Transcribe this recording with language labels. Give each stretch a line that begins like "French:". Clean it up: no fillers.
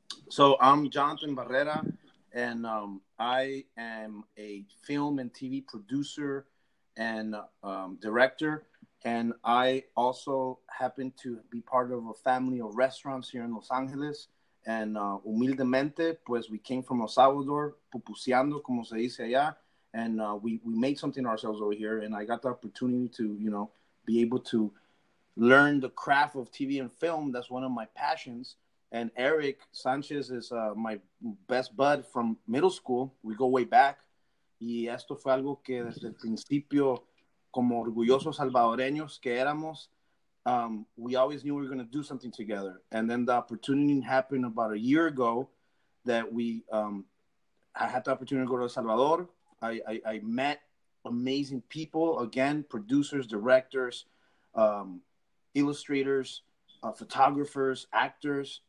English: So I'm Jonathan Barrera, and I am a film and TV producer and director, and I also happen to be part of a family of restaurants here in Los Angeles, and
Spanish: humildemente, pues
English: we came from El Salvador,
Spanish: pupuseando, como se dice allá,
English: and we made something ourselves over here, and I got the opportunity to, you know, be able to learn the craft of TV and film. That's one of my passions. And Eric Sanchez is my best bud from middle school. We go way back.
Spanish: Y esto fue algo que desde el principio, como orgullosos salvadoreños que éramos,
English: we always knew we were going to do something together. And then the opportunity happened about a year ago that I had the opportunity to go to El Salvador. I met amazing people, again, producers, directors, illustrators, photographers, actors.